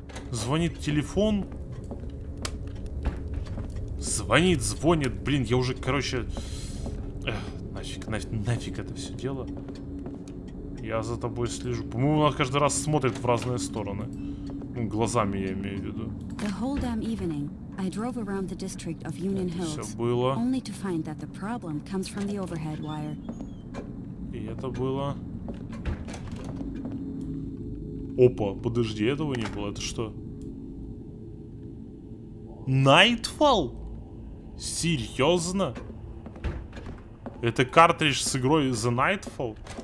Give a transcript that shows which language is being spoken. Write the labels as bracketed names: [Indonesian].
[Russian] Звонит телефон? Звонит, звонит, блин, я уже, короче... нафиг это все дело... Я за тобой слежу. По-моему, она каждый раз смотрит в разные стороны. Ну, глазами я имею в виду. [English] The whole damn evening, I drove around the district of Union Hills. [Russian] Все было. [English] Only to find that the problem comes from the overhead wire. [Russian] И это было. Опа, подожди, этого не было. Это что? Nightfall? Серьезно? Это картридж с игрой The Nightfall?